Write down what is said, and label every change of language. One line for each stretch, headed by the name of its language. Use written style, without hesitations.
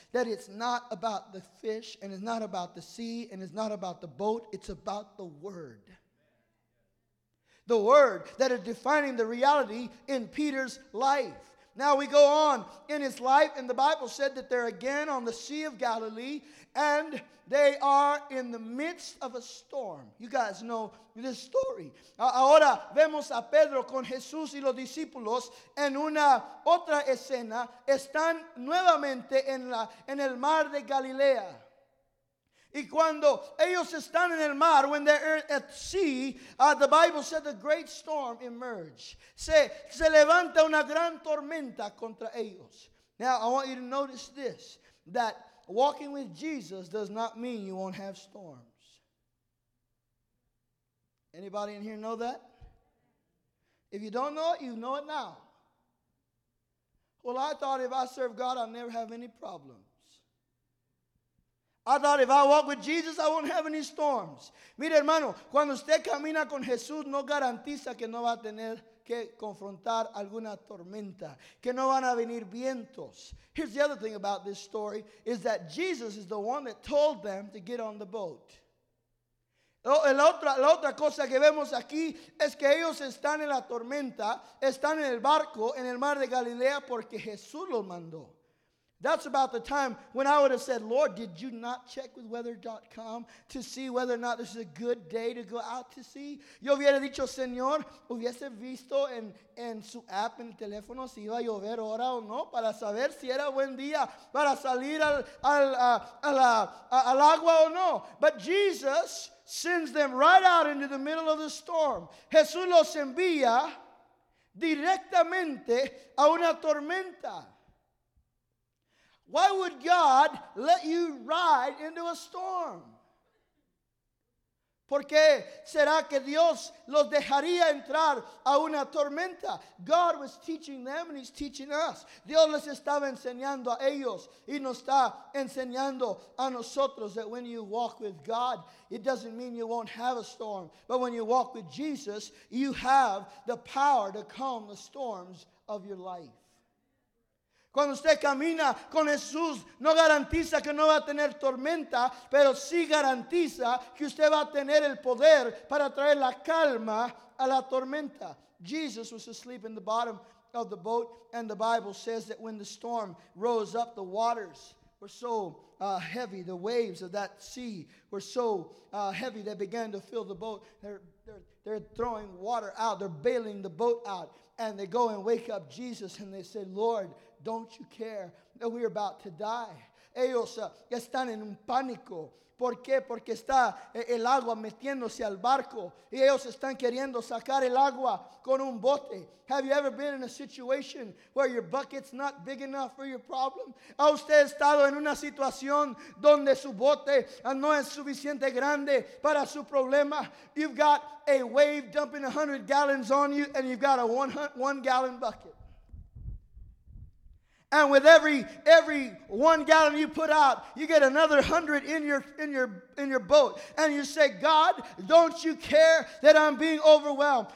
English: That it's not about the fish, and it's not about the sea, and it's not about the boat, it's about the Word. The Word that is defining the reality in Peter's life. Now we go on in his life, and the Bible said that they're again on the Sea of Galilee, and they are in the midst of a storm. You guys know this story.
Spanish: Ahora vemos a Pedro con Jesús y los discípulos en una otra escena. Están nuevamente en el mar de Galilea. Y cuando ellos están en el mar,
English: when they're at sea, the Bible said a great storm emerged.
Spanish: Se levanta una gran tormenta contra ellos.
English: Now, I want you to notice this, that walking with Jesus does not mean you won't have storms. Anybody in here know that? If you don't know it, you know it now. Well, I thought if I serve God, I'll never have any problems. I thought if I walk with Jesus, I won't have any storms.
Spanish: Mira, hermano, cuando usted camina con Jesús, no garantiza que no va a tener que confrontar alguna tormenta, que no van a venir vientos.
English: Here's the other thing about this story, is that Jesus is the one that told them to get on the boat.
Spanish: La otra cosa que vemos aquí es que ellos están en la tormenta, están en el barco, en el mar de Galilea, porque Jesús los mandó.
English: That's about the time when I would have said, Lord, did you not check with weather.com to see whether or not this is a good day to go out to sea?
Spanish: Yo hubiera dicho, Señor, hubiese visto en su app, en el teléfono, si iba a llover ahora o no, para saber si era buen día para salir al agua o no.
English: But Jesus sends them right out into the middle of the storm.
Spanish: Jesús los envía directamente a una tormenta.
English: Why would God let you ride into a storm?
Spanish: ¿Por qué será que Dios los dejaría entrar a una tormenta?
English: God was teaching them and He's teaching us.
Spanish: Dios les estaba enseñando a ellos y nos está enseñando a nosotros
English: that when you walk with God, it doesn't mean you won't have a storm. But when you walk with Jesus, you have the power to calm the storms of your life.
Spanish: Cuando usted camina con Jesús, no garantiza que no va a tener tormenta, pero sí garantiza que usted va a tener el poder para traer la calma a la tormenta.
English: Jesus was asleep in the bottom of the boat, and the Bible says that when the storm rose up, the waters were so heavy, the waves of that sea were so heavy, they began to fill the boat. They're throwing water out, they're bailing the boat out, and they go and wake up Jesus, and they say, Lord, don't you care that we're about to die?
Spanish: Ellos están en un pánico. ¿Por qué? Porque está el agua metiéndose al barco. Y ellos están queriendo sacar el agua con un bote.
English: Have you ever been in a situation where your bucket's not big enough for your problem?
Spanish: ¿Ha usted estado en una situación donde su bote no es suficiente grande para su problema?
English: You've got a wave dumping 100 gallons on you, and you've got a one gallon bucket. And with every 1 gallon you put out, you get another 100 in your boat. And you say, God, don't you care that I'm being overwhelmed?